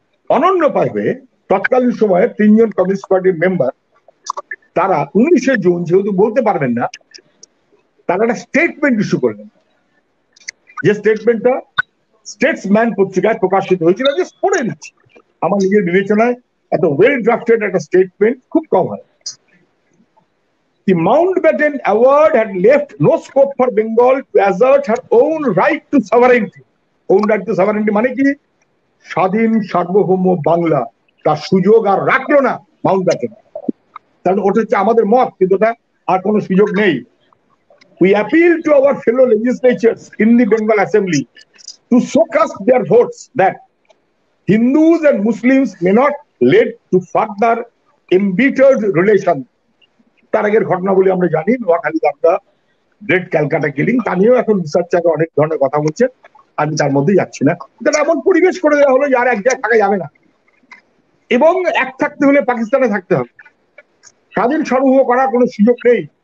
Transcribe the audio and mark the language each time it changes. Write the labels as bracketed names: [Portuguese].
[Bangla] অনন্য পাইবে তৎকালীন সময়ে তিনজন কমিউনিস্ট পার্টির মেম্বার, তারা 19 জুন যেহেতু বলতে পারবেন না, তারা একটা স্টেটমেন্ট ইস্যু করলেন, যে স্টেটমেন্টটা স্টেটসম্যান পত্রিকায় প্রকাশিত হয়েছিল, যে পড়ে দিচ্ছি, আমার নিজের বিবেচনায় এত ওয়েল ড্রাফটেড একটা স্টেটমেন্ট খুব কম হয়। [English] The Mountbatten award had left no scope for Bengal to assert her own right to sovereignty. Own right to sovereignty [Bangla] মানে কি? স্বাধীন সার্বভৌম বাংলা তার সুযোগ আর রাখলো না Mountbatten, কারণ ওটা হচ্ছে আমাদের মত, কিন্তু ওটা আর কোনো সুযোগ নেই। [English] We appeal to our fellow legislatures in the Bengal Assembly to so cast their votes that Hindus and Muslims may not lead to further embittered relations. [Bangla] তার আগের ঘটনাগুলি আমরা জানি, নোয়াখালী দাঁড়া, গ্রেট ক্যালকাটা কিলিং, তা নিয়েও এখন রিসার্চ চাকরি অনেক ধরনের কথা বলছে, আমি তার মধ্যে যাচ্ছি না। তারা এমন পরিবেশ করে দেওয়া হলো যার এক জায়গায় থাকা যাবে না, এবং এক থাকতে হলে পাকিস্তানে থাকতে হবে, স্বাধীন সর্বভৌম করার কোনো সুযোগ নেই।